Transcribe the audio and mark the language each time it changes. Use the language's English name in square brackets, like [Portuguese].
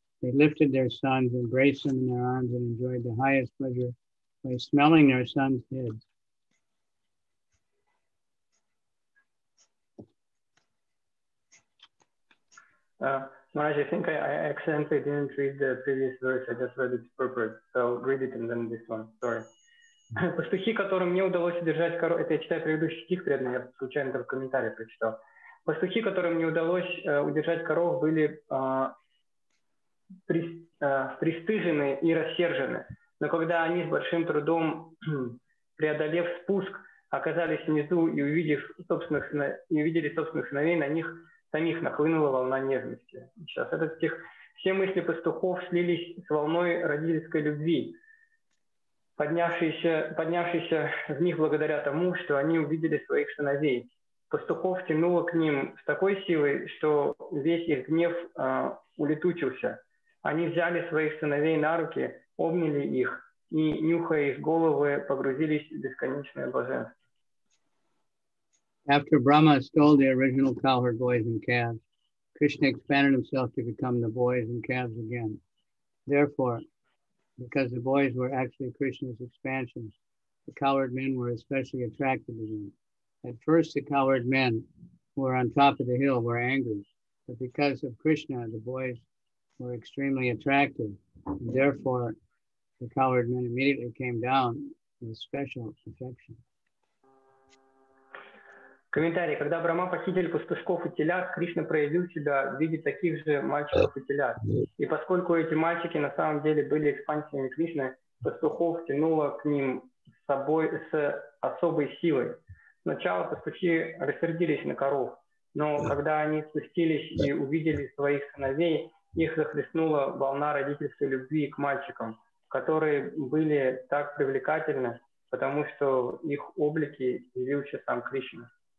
[English] They lifted their sons, embraced them in their arms, and enjoyed the highest pleasure by smelling their sons' heads. Maharaj, I think I accidentally didn't read the previous verse. I just read its purport. So read it and then this one. Sorry. [Russian] Пастухи, которым не удалось удержать корову, это я читаю предыдущий стих, преданный, я случайно это в комментариях прочитал. Пастухи, которым не удалось удержать коров, были пристыжены и рассержены. Но когда они с большим трудом, преодолев спуск, оказались внизу и увидели собственных сыновей, на них самих нахлынула волна нежности. Сейчас этот стих. Все мысли пастухов слились с волной родительской любви, поднявшийся в них благодаря тому, что они увидели своих сыновей. Пастухов тянуло к ним с такой силой, что весь их гнев улетучился. Они взяли своих сыновей на руки, обняли их и, нюхая их головы, погрузились в бесконечное блаженство. [English] After Brahma stole the original cowherd boys and calves, Krishna expanded himself to become the boys and calves again. Therefore, because the boys were actually Krishna's expansions, the cowherd men were especially attracted to them. At first, the cowherd men who were on top of the hill were angry, but because of Krishna, the boys were extremely attracted. And therefore, the cowherd men immediately came down with special affection. [Russian] Комментарий. Когда Брахма похитил пастушков и телят, Кришна проявил себя в виде таких же мальчиков и телят. И поскольку эти мальчики на самом деле были экспансиями Кришны, пастухов тянуло к ним с собой с особой силой. Сначала пастухи рассердились на коров, но когда они спустились и увидели своих сыновей, их захлестнула волна родительской любви к мальчикам, которые были так привлекательны, потому что их облики явился сам Кришна.